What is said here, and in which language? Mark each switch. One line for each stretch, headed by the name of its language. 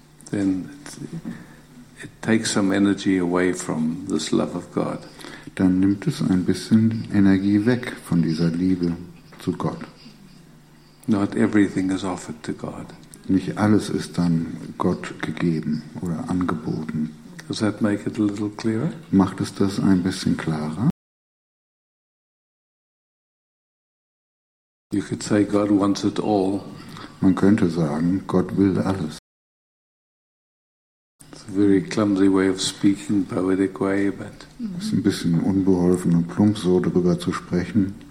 English: then it takes some energy away from this love of God.
German: Dann nimmt es ein bisschen Energie weg von dieser Liebe zu Gott.
English: Not everything is offered to God.
German: Nicht alles ist dann Gott gegeben oder angeboten.
English: Does that make it a little clearer?
German: Macht es das ein bisschen klarer?
English: You could say God wants it all.
German: Man könnte sagen, Gott will alles.
English: It's a very clumsy way of speaking, poetic way, but.
German: Es ist ein bisschen unbeholfen und plump, so darüber zu sprechen.